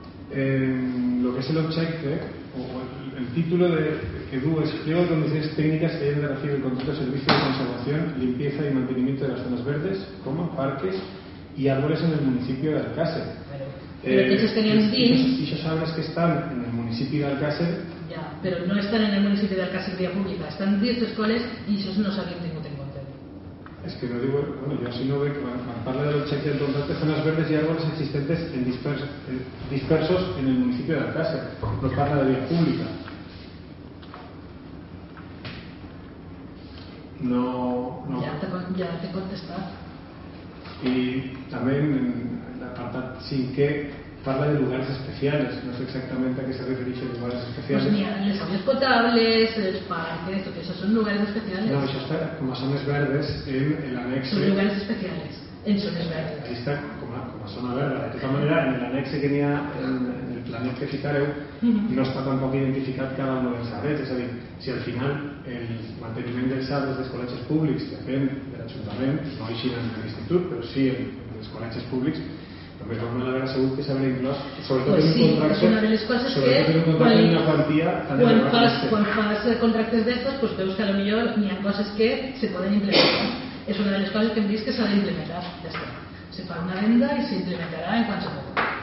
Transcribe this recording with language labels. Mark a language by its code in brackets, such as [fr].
[ca] El que és l'objecte, el títol que du és creu [es] donde es tècniques que hayan de regir el contrato de servicio de conservación, limpieza y mantenimiento de las zonas verdes, coma, parques y árboles en el municipio de Alcácer. [ca] Però aquests arbres que estan en el municipi d'Alcácer... Ja, però no estan en el municipi d'Alcácer via pública, estan dins d'escoles i això no s'havien tingut en compte. [es] Es que no digo, bueno, yo así no veo que cuando habla de los cheques del contrato de zonas verdes y árboles existentes en dispersos en el municipio de Alcácer, no habla de vía pública. No. Ya te contestas. Y también en el apartado 5 habla de lugares especiales, no sé exactamente a qué se refiere a lugares especiales. Pues mira, los áreas potables, los parques, porque esos son lugares especiales. No, eso está como zonas verdes en el anexo. Son lugares especiales, en zonas verdes. Ahí está como zona verde. De todas maneras, en el anexo que tenía en el plan que citaré, no está tampoco identificado cada uno de los áreas. Es decir, si al final el mantenimiento de los áreas de los colegios públicos depende del ayuntamiento, no hay sino en el instituto, pero sí en los colegios públicos. [ca] Només vam anar a veure segur que s'havien inclòs, sobretot pues sí, en un contracte, una de les coses que en una quantia... Quan fas contractes d'estos, pues veus que a lo millor n'hi ha coses que se poden implementar. És una de les coses que hem vist que s'ha d'implementar. Ja està. Se fa una venda i s'implementarà en quant se pot.